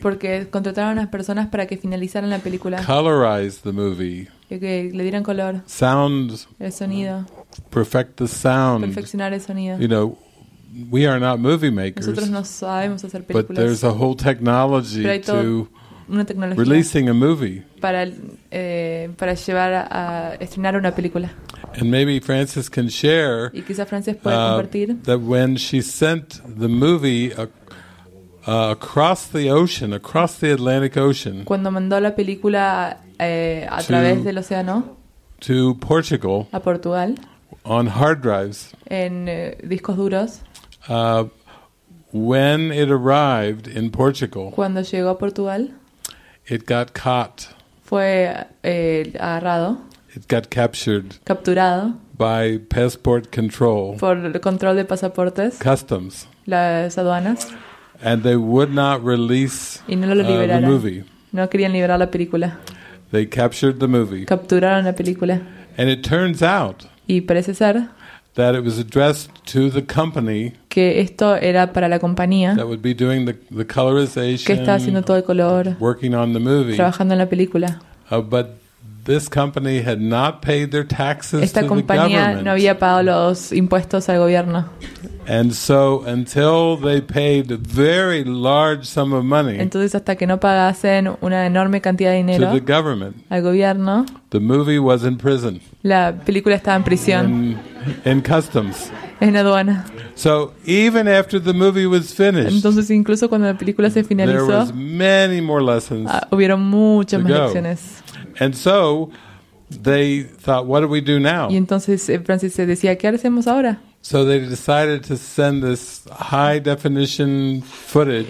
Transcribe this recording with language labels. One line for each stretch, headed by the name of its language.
Spanish: Porque contrataron a unas personas para que finalizaran la película.
English: Colorize the movie.
Spanish: Que le dieran color.
English: Sound.
Spanish: El sonido.
English: Perfect the sound.
Spanish: Perfeccionar el sonido.
English: You know, we are not movie makers.
Spanish: Nosotros no sabemos hacer películas.
English: But there's a whole technology to
Spanish: una tecnología
English: releasing a movie.
Spanish: Para llevar a estrenar una película.
English: And maybe Frances can share
Spanish: y quizá Frances puede compartir
English: that when she sent the movie across the ocean, across the Atlantic Ocean,
Spanish: cuando mandó la película a través del océano,
English: to Portugal,
Spanish: a Portugal,
English: on hard drives,
Spanish: en discos duros,
English: when it arrived in Portugal,
Spanish: cuando llegó a Portugal,
English: it got caught,
Spanish: fue agarrado.
English: It got captured,
Spanish: capturado,
English: by passport control,
Spanish: por el control de pasaportes,
English: customs,
Spanish: las aduanas,
English: and they would not release
Spanish: y no lo liberaron,
English: the movie.
Spanish: No querían liberar la película.
English: They captured the movie.
Spanish: Capturaron la película.
English: And it turns out,
Spanish: y parece ser,
English: that it was addressed to the company,
Spanish: que esto era para la compañía,
English: that would be doing the colorization,
Spanish: que está haciendo todo el color,
English: working on the movie,
Spanish: trabajando en la película.
English: But this company had not paid their taxes
Spanish: esta
English: to the government.
Spanish: Esta compañía no había pagado los impuestos al gobierno.
English: And so, until they paid a very large sum of money,
Spanish: entonces hasta que no pagasen una enorme cantidad de dinero
English: to the government,
Spanish: al gobierno,
English: the movie was in prison.
Spanish: La película estaba en prisión.
English: In customs.
Spanish: En aduana.
English: So even after the movie was finished,
Spanish: entonces incluso cuando la película se finalizó,
English: there was many more lessons.
Spanish: Hubieron muchas más lecciones.
English: And so they thought, what do we do now?
Spanish: Y entonces Francis se decía, ¿qué hacemos ahora?
English: So they decided to send this high definition footage.